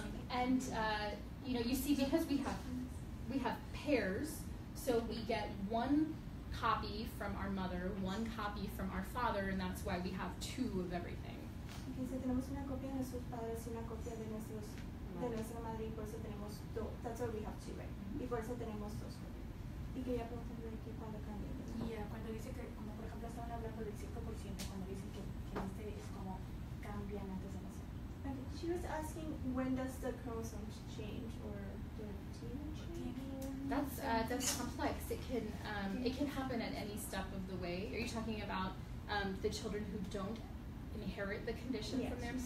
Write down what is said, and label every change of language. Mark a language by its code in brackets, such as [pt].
[en] Genes, you know, you see, because we have pairs, so we get one copy from our mother, one copy from our father, and that's why we have two of everything. Okay, so [es] tenemos una copia de nuestros padres y una copia de nuestros de nuestra madre, y por eso tenemos dos. [en] That's why we have two, right? [es] Y por eso tenemos dos copias. Y quería preguntarle que cuando cambia. Yeah, cuando dice que, como por ejemplo estaban hablando del 5%, cuando dicen que este es como cambian antes de nacer. [en] She was asking when does the chromosomes change or the gene change? That's complex. It can happen at any step of the way. Are you talking about the children who don't inherit the condition from their parents?